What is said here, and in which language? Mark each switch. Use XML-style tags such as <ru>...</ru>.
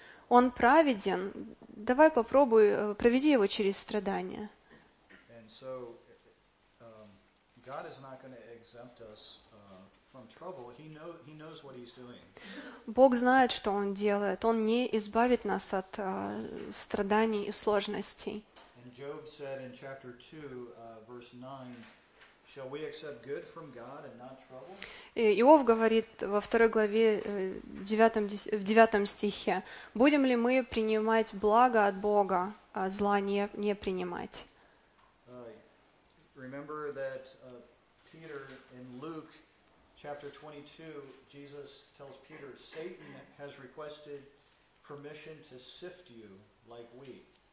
<ru>Он праведен, давай попробуй, проведи его через страдания.</ru> <en>So, God is not going to exempt us from trouble. He knows what He's doing.</en> <ru>Бог знает, что Он делает. Он не избавит нас от страданий и сложностей.</ru> <en>And Job said in chapter 2, verse 9, shall we accept good from God and not trouble?</en> <ru>Иов говорит во второй главе в девятом стихе, будем ли мы принимать благо от Бога, а зла не принимать?</ru> <en>Remember that Peter in Luke chapter 22, Jesus tells Peter, Satan has requested permission to sift you like wheat.</en>